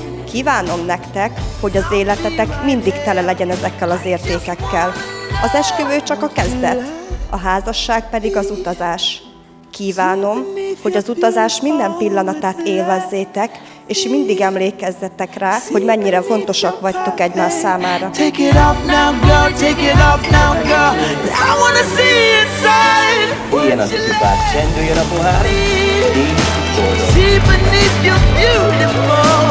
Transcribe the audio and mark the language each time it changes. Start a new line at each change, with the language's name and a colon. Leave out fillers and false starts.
Hungarian: Kívánom nektek, hogy az életetek mindig tele legyen ezekkel az értékekkel. Az esküvő csak a kezdet, a házasság pedig az utazás. Kívánom, hogy az utazás minden pillanatát élvezzétek, és mindig emlékezzetek rá, hogy mennyire fontosak vagytok egymás számára.
English: Take it off now, girl, take it off now, girl. I wanna see inside.
Hungarian: Ilyen az ütőpár, csendüljön a pohár, így boldog.
English: See beneath your beautiful.